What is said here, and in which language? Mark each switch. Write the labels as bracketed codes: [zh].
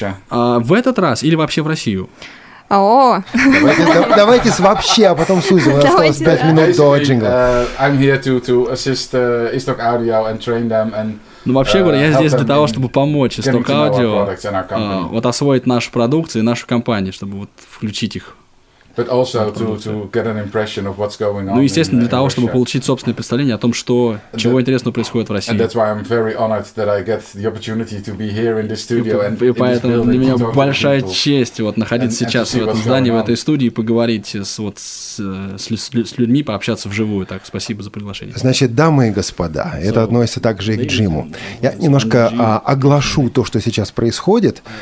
[ru] В этот раз или вообще в Россию? О! Давайте вообще, а потом сузим. У нас осталось 5 минут до джингла. [en] I'm here to assist Istok Audio and train them and [ru] ну, вообще говоря, я здесь для того, чтобы помочь Istok Audio вот освоить нашу продукцию и нашу компанию, чтобы вот включить их. [en] But also to get an impression of what's going on. [ru] Ну, естественно, для того, чтобы получить собственное представление о том, что чего интересного происходит в России. [en] And that's why I'm very honored that I get the opportunity to be here in this studio and in this building. [ru] И поэтому для меня большая честь вот находиться сейчас в этом здании, в этой студии, поговорить с людьми, пообщаться вживую. Так, спасибо за приглашение. Значит, дамы и господа, это относится также и к Джиму. Я немножко оглашу то, что сейчас происходит.